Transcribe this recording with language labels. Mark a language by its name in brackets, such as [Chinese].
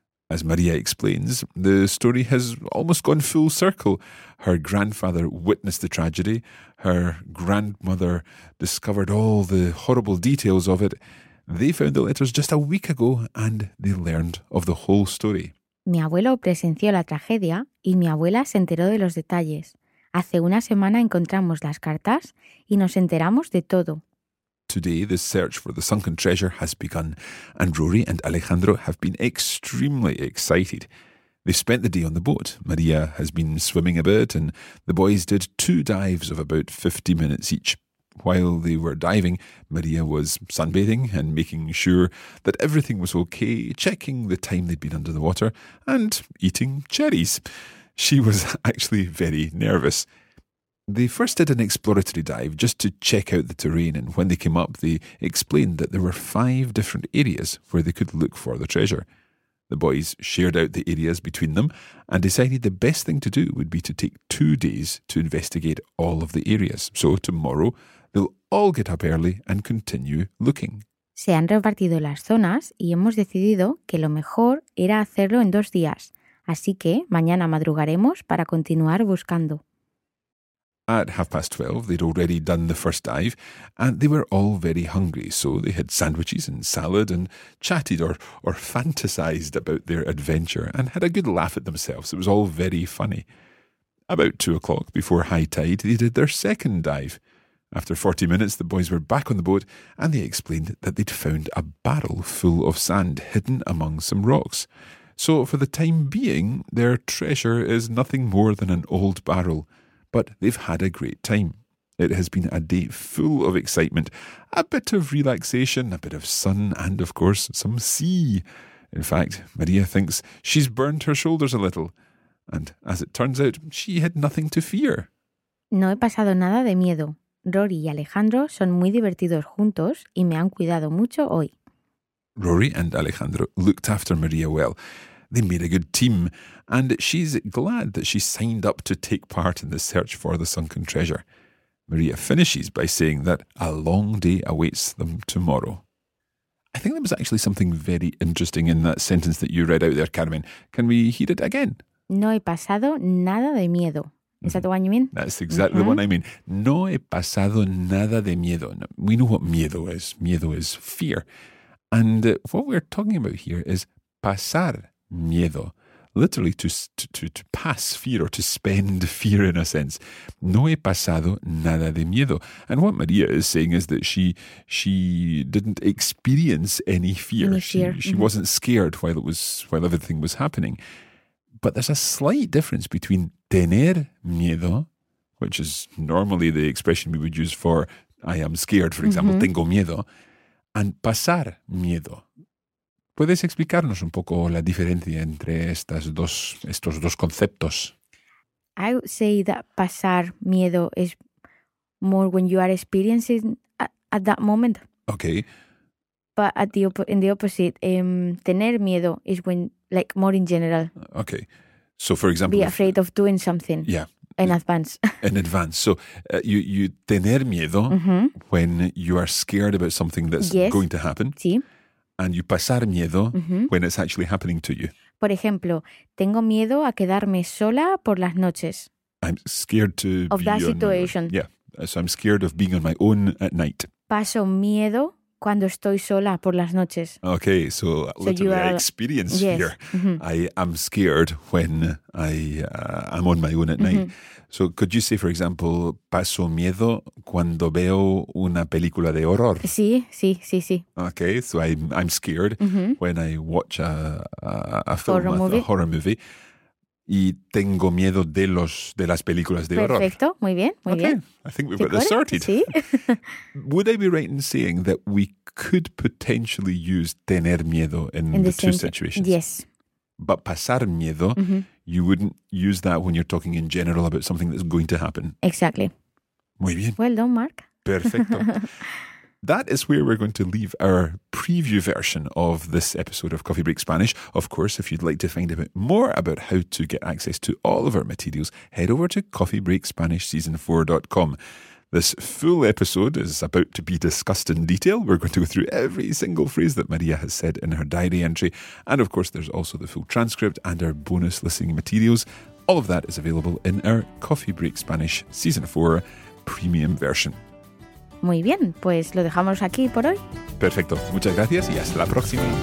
[English] As Maria explains, the story has almost gone full circle. Her grandfather witnessed the tragedy. Her grandmother discovered all the horrible details of it. They found the letters just a week ago and they learned of the whole story. [Spanish] Mi abuelo presenció la tragedia y mi abuela se enteró de los detalles. Hace una semana encontramos las cartas y nos enteramos de todo. [English] Today, the search for the sunken treasure has begun, and Rory and Alejandro have been extremely excited. They spent the day on the boat. Maria has been swimming a bit, and the boys did two dives of about 50 minutes each. While they were diving, Maria was sunbathing and making sure that everything was okay, checking the time they'd been under the water, and eating cherries. She was actually very nervous. They first did an exploratory dive just to check out the terrain, and when they came up, they explained that there were five different areas where they could look for the treasure. The boys shared out the areas between them and decided the best thing to do would be to take 2 days to investigate all of the areas. So tomorrow, they'll all get up early and continue looking. [Spanish] Se han repartido las zonas y hemos decidido que lo mejor era hacerlo en 2 días, así que mañana madrugaremos para continuar buscando. [English] At 12:30, they'd already done the first dive, and they were all very hungry, so they had sandwiches and salad and chatted or fantasized about their adventure and had a good laugh at themselves. It was all very funny. About 2:00, before high tide, they did their second dive. After 40 minutes, the boys were back on the boat and they explained that they'd found a barrel full of sand hidden among some rocks. So for the time being, their treasure is nothing more than an old barrel. But they've had a great time. It has been a day full of excitement, a bit of relaxation, a bit of sun and, of course, some sea. In fact, Maria thinks she's burned her shoulders a little. And as it turns out, she had nothing to fear. [Spanish] No he pasado nada de miedo. Rory y Alejandro son muy divertidos juntos y me han cuidado mucho hoy. [English] Rory and Alejandro looked after Maria well. They made a good team, and she's glad that she signed up to take part in the search for the sunken treasure. Maria finishes by saying that a long day awaits them tomorrow. I think there was actually something very interesting in that sentence that you read out there, Carmen. Can we hear it again? [Spanish] No he pasado nada de miedo. [English] Is that the one you mean? That's exactly the one I mean. [Spanish] No he pasado nada de miedo. [English] We know what miedo is. Miedo is fear. And what we're talking about here is pasar miedo. Literally to pass fear or to spend fear in a sense. [Spanish] No he pasado nada de miedo. [English] And what Maria is saying is that she didn't experience any fear. Any fear. She wasn't scared while everything was happening. But there's a slight difference between tener miedo, which is normally the expression we would use for I am scared, for example, tengo miedo, and pasar miedo. [Spanish] ¿Puedes explicarnos un poco la diferencia entre estos dos conceptos? [English] I would say that pasar miedo is more when you are experiencing at that moment. Okay. But in the opposite, tener miedo is when, like, more in general. Okay. So, for example... Be afraid of doing something. Yeah. In advance. In advance. So, you tener miedo when you are scared about something that's going to happen. [Spanish] Sí. [English] And you pasar miedo when it's actually happening to you. [Spanish] Por ejemplo, tengo miedo a quedarme sola por las noches. [English] I'm scared to of be that on situation. My, yeah. So, I'm scared of being on my own at night. [Spanish] Paso miedo... Cuando estoy sola por las noches. [English] Okay, so literally I experience fear. I am scared when I'm on my own at night. So could you say, for example, [Spanish] paso miedo cuando veo una película de horror? Sí. [English] Okay, so I'm scared when I watch a horror movie. [Spanish] Y tengo miedo de las películas de horror. Perfecto, muy bien, muy [English] okay. [Spanish] bien. [English] Okay, I think we've got this sorted. [Spanish] ¿Sí? [English] Would I be right in saying that we could potentially use tener miedo in the two situations? Yes. But pasar miedo, you wouldn't use that when you're talking in general about something that's going to happen. Exactly. [Spanish] Muy bien. [English] Well done, Mark. [Spanish] Perfecto. [English] That is where we're going to leave our preview version of this episode of Coffee Break Spanish. Of course, if you'd like to find out more about how to get access to all of our materials, head over to coffeebreakspanishseason4.com. This full episode is about to be discussed in detail. We're going to go through every single phrase that Maria has said in her diary entry. And of course, there's also the full transcript and our bonus listening materials. All of that is available in our Coffee Break Spanish Season 4 premium version. [Spanish] Muy bien, pues lo dejamos aquí por hoy. Perfecto, muchas gracias y hasta la próxima.